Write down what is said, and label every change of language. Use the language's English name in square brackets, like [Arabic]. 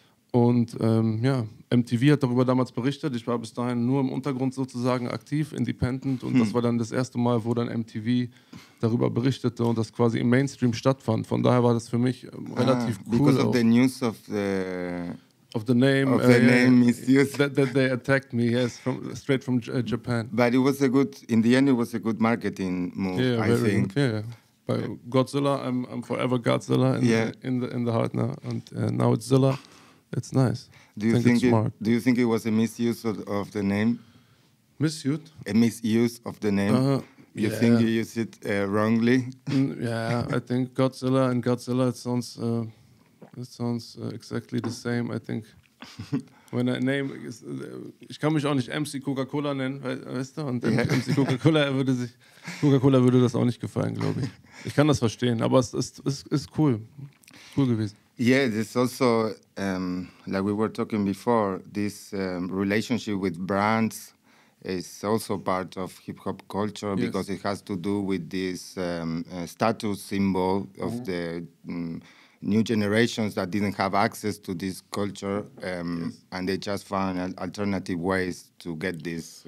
[German] Und MTV hat darüber damals berichtet. Ich war bis dahin nur im Untergrund sozusagen aktiv, independent. Und das war dann das erste Mal, wo dann MTV darüber berichtete und das quasi im Mainstream stattfand. Von daher war das für mich relativ cool. [English] Because of the news of the... Of the name. Of the name misuse. That they attacked me, yes, straight from Japan. But it was a good... In the end, it was a good marketing move, I think. By Godzilla, I'm forever Godzilla in the heart now. And now it's Zilla. It's nice. Do you think it was a misuse of the name? Misuse? A misuse of the name? You think you use it wrongly? I think Godzilla and Godzilla, it sounds exactly the same. I think when I name, [German] ich kann mich auch nicht MC Coca-Cola nennen, weißt du? Und MC Coca-Cola würde das auch nicht gefallen, glaube ich. Ich kann das verstehen, aber es ist cool gewesen. [English] Yeah, there's also, like we were talking before, this relationship with brands is also part of hip-hop culture because it has to do with this status symbol of the new generations that didn't have access to this culture and they just found alternative ways to get this.